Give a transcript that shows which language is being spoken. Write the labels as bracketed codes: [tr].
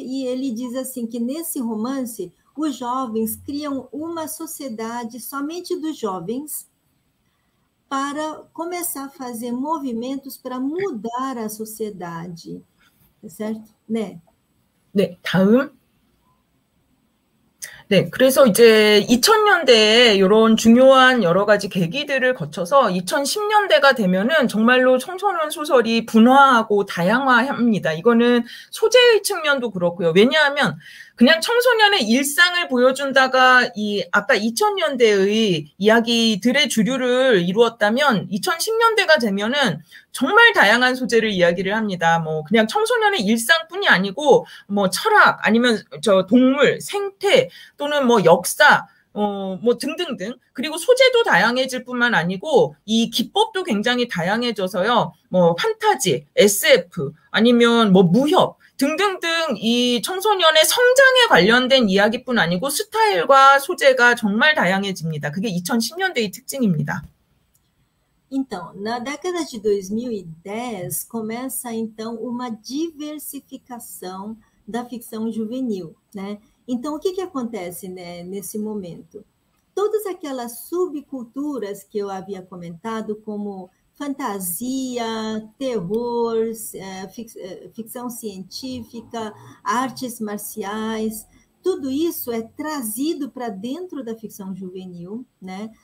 [pt] E ele diz assim que nesse romance os jovens criam uma sociedade somente dos jovens para começar a fazer movimentos para mudar a sociedade, certo? Né? [ko] 네, 다음. 네, 그래서 이제 2000년대에 이런 중요한 여러 가지 계기들을 거쳐서 2010년대가 되면은 정말로 청소년 소설이 분화하고 다양화합니다. 이거는 소재의 측면도 그렇고요. 왜냐하면 그냥 청소년의 일상을 보여준다가 이 아까 2000년대의 이야기들의 주류를 이루었다면 2010년대가 되면은 정말 다양한 소재를 이야기를 합니다. 뭐 그냥 청소년의 일상뿐이 아니고 뭐 철학 아니면 저 동물, 생태 또는 뭐 역사 뭐 등등등. 그리고 소재도 다양해질 뿐만 아니고 이 기법도 굉장히 다양해져서요. 뭐 판타지, SF 아니면 뭐 무협 등등등 이 청소년의 성장에 관련된 이야기뿐 아니고 스타일과 소재가 정말 다양해집니다. 그게 2010년대의 특징입니다. [pt] Então, na década de 2010, começa então uma diversificação da ficção juvenil, né? Então, o que que acontece, né, nesse momento? Todas aquelas subculturas que eu havia comentado, como fantasia, terror, ficção científica, artes marciais, tudo isso é trazido para dentro da ficção juvenil, né?